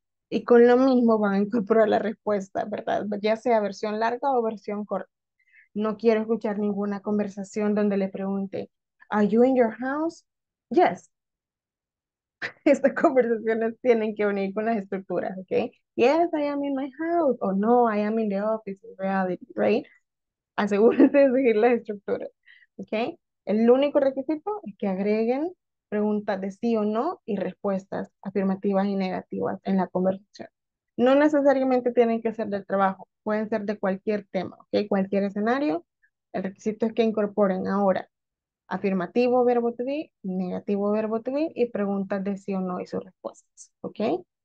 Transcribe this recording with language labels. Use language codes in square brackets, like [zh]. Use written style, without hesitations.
[es] Y con lo mismo van a incorporar la respuesta, ¿verdad? Ya sea versión larga o versión corta. No quiero escuchar ninguna conversación donde le pregunte, [en] ¿Are you in your house? Yes. [es] Estas conversaciones tienen que unir con las estructuras, ¿ok? [en] Yes, I am in my house. [es] O no, [en] I am in the office, in reality, right? [es] Asegúrense de seguir las estructuras, ¿ok? El único requisito es que agreguen preguntas de sí o no y respuestas afirmativas y negativas en la conversación. No necesariamente tienen que ser del trabajo, pueden ser de cualquier tema, ¿ok? Cualquier escenario. El requisito es que incorporen ahora afirmativo verbo to be, negativo verbo to be y preguntas de sí o no y sus respuestas, ¿ok?